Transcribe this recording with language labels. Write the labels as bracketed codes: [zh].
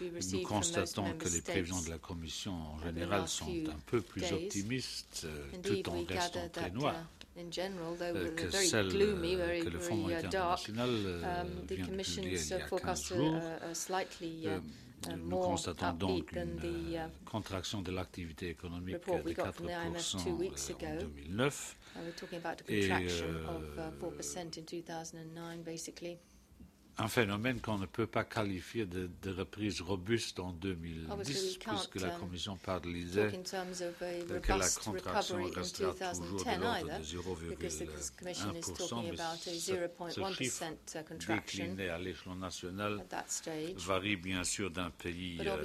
[fr] Nous constatons que les prévisions de la Commission en général sont un peu plus optimistes, tout en restant très noires. [en] In general, though we're very celle, gloomy, very, very dark, the Commission's forecast are slightly [fr] nous constatons donc une contraction de l'activité économique de 4% en 2009. [en] We're talking about a contraction of 4% in 2009, basically. [fr] Un phénomène qu'on ne peut pas qualifier de reprise robuste en 2010, puisque la Commission parlait que la contraction restera toujours de l'ordre de 0,1%, mais ce chiffre décliné à l'échelon national varie bien sûr d'un pays à l'autre.